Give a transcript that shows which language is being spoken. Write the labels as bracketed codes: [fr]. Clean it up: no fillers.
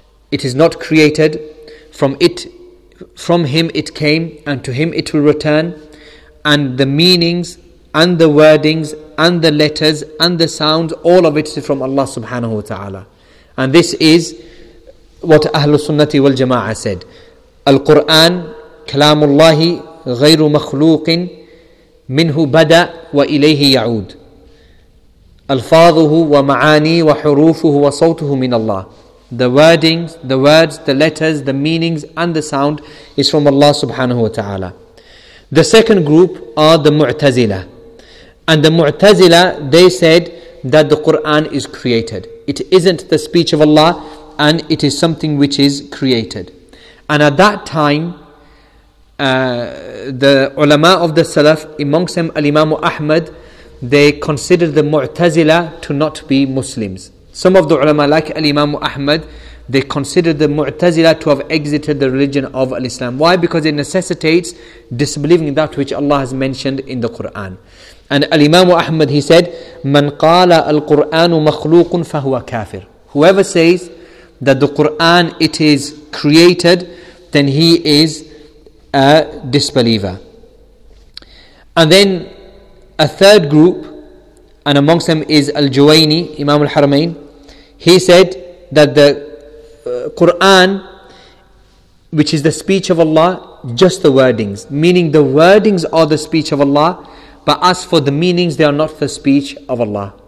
[en] It is not created. From him it came, and to him it will return. And the meanings and the wordings and the letters and the sounds, all of it is from Allah subhanahu wa ta'ala. And this is what Ahlul Sunnati wal Jama'ah said. [ar] Al-Quran, Kalamullahi, غَيْرُ مَخْلُوقٍ مِنْهُ بَدَى وَإِلَيْهِ يَعُودُ أَلْفَاظُهُ وَمَعَانِيهُ وَحُرُوفُهُ وَصَوْتُهُ مِنَ اللَّهِ. [en] The wordings, the words, the letters, the meanings and the sound is from Allah subhanahu wa ta'ala. The second group are the Mu'tazila. And the Mu'tazila, they said that the Qur'an is created. It isn't the speech of Allah and it is something which is created. And at that time, the ulama of the Salaf, amongst them Al-Imam Ahmad, they considered the Mu'tazila to not be Muslims. Some of the ulama like Al-Imam Ahmad, they considered the Mu'tazila to have exited the religion of Al-Islam. Why? Because it necessitates disbelieving that which Allah has mentioned in the Qur'an. And Al-Imam Ahmad, he said, [ar] مَنْ قَالَ الْقُرْآنُ مَخْلُوقٌ فَهُوَ كَافِرٌ. [en] Whoever says that the Qur'an, it is created, then he is a disbeliever. And then a third group, and amongst them is Al-Juwayni, Imam Al-Haramain, he said that the Quran, which is the speech of Allah, just the wordings, meaning the wordings are the speech of Allah, but as for the meanings, they are not the speech of Allah.